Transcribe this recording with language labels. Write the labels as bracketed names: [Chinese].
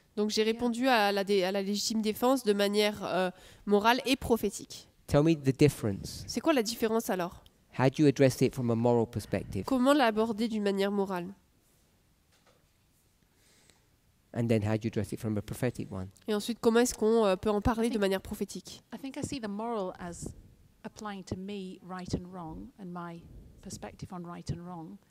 [French] Donc j'ai répondu à la légitime défense de manière morale et prophétique. [English] Tell me the difference. [French] C'est quoi la différence alors? [English] How do you address it from a moral perspective? [French] Comment l'aborder d'une manière morale? [English] And then how do you address it from a prophetic one? [French] Et ensuite comment est-ce qu'on peut en parler de manière prophétique? [English] I think I see the moral as applying to me right and wrong and my perspective on right and wrong.